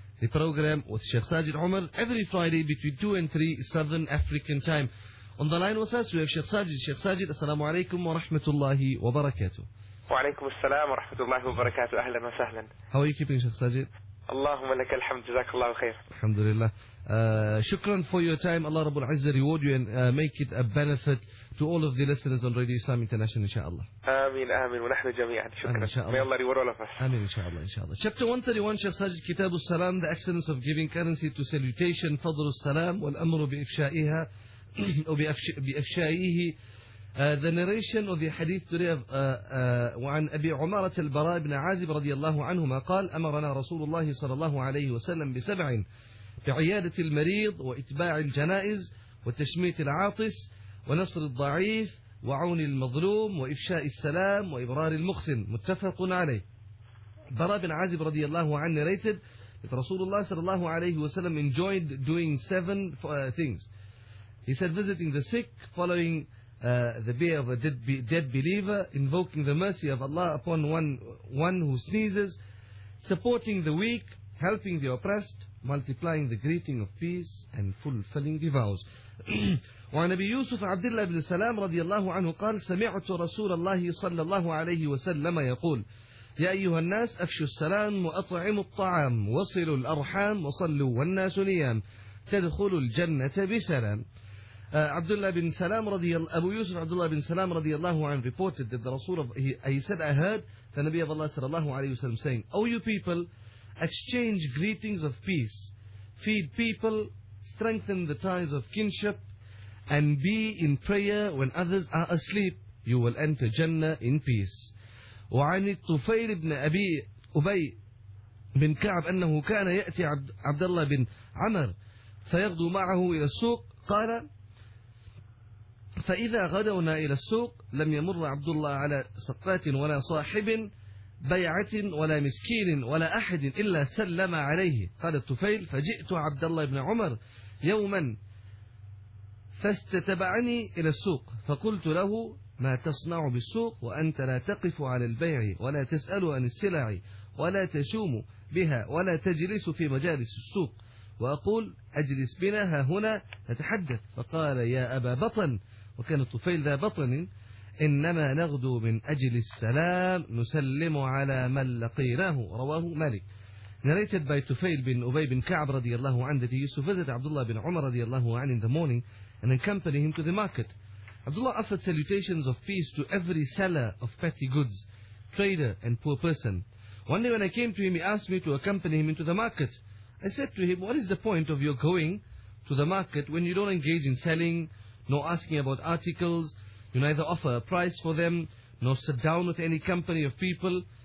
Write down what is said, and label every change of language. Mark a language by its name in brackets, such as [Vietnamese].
[English] The program with Sheikh Sajid Omar every Friday between 2 and 3 Southern African time. On the line with us we have Sheikh Sajid. [Arabic] Sheikh Sajid, السلام عليكم ورحمة الله وبركاته. وعليكم السلام ورحمة الله وبركاته. أهلا وسهلا. [English] How are you keeping, Sheikh Sajid? [Arabic] اللهم لك الحمد. جزاك الله خير. الحمد لله. [English] شكرا for your time. Allah [Arabic] رب العزة [English] reward you and make it a benefit to all of the listeners on Radio Islam International, inshallah. [Arabic] آمين آمين. ونحن جميعا شكرا. [English] May Allah reward all of us. [Arabic] آمين [English] inshallah inshallah. Chapter 131, Sheikh Sajid, [Arabic] كتاب السلام, [English] the excellence of giving currency to salutation, [Arabic] فضل السلام والأمر بإفشائها بإفشائه. [English] The narration of the hadith today of [Arabic] عن أبي عمارة البراء بن عازب رضي الله عنهما قال أمرنا رسول الله صلى الله عليه وسلم بسبع: بعيادة المريض وإتباع الجنائز وتشمية العاطس ونصر الضعيف وعون المظلوم وإفشاء السلام وإبرار المخسن. متفق عليه. براء بن عازب رضي الله عنه [English] narrated that [Arabic] رسول الله صلى الله عليه وسلم [English] enjoyed doing seven things. He said visiting the sick, following the bier of a dead believer, invoking the mercy of Allah upon one who sneezes, supporting the weak, helping the oppressed, multiplying the greeting of peace, and fulfilling the vows. [Arabic] وعن أبي يوسف عبد الله بن سلام رضي الله عنه قال سمعت رسول الله صلى الله عليه وسلم يقول يا أيها الناس أفشوا السلام وأطعموا الطعام وصلوا الأرحام وصلوا والناس نيام تدخلوا الجنة بسلام. عبد الله بن سلام رضي الله أبو يوسف عبد الله بن سلام رضي الله عنه [English] reported that the Rasul of he said I heard the Nabi of Allah [Arabic] صلى الله عليه وسلم [English] saying, O you people, exchange greetings of peace, feed people, strengthen the ties of kinship, and be in prayer when others are asleep. You will enter Jannah in peace. [Arabic] وعن الطفيل بن أبي أبي بن كعب أنه كان يأتي عبد الله بن عمر فيغدو معه إلى السوق قال فإذا غدونا إلى السوق لم يمر عبد الله على سقات ولا صاحب بيعة ولا مسكين ولا أحد إلا سلم عليه. قال الطفيل فجئت عبد الله بن عمر يوما فاستتبعني إلى السوق فقلت له ما تصنع بالسوق وأنت لا تقف على البيع ولا تسأل عن السلع ولا تشوم بها ولا تجلس في مجالس السوق وأقول أجلس بنا ها هنا نتحدث. فقال يا أبا بطن, وكان الطفيل ذا بطن, إنما نغدو من أجل السلام نسلم على من لقيناه. رواه مالك. [English] Narrated by Tufail bin Ubay bin Ka'ab radiallahu anhu that he used to visit Abdullah bin Umar radiallahu anhu in the morning and accompany him to the market. Abdullah offered salutations of peace to every seller of petty goods, trader and poor person. One day when I came to him, he asked me to accompany him into the market. I said to him, what is the point of your going to the market when you don't engage in selling, nor asking about articles, you neither offer a price for them, nor sit down with any company of people?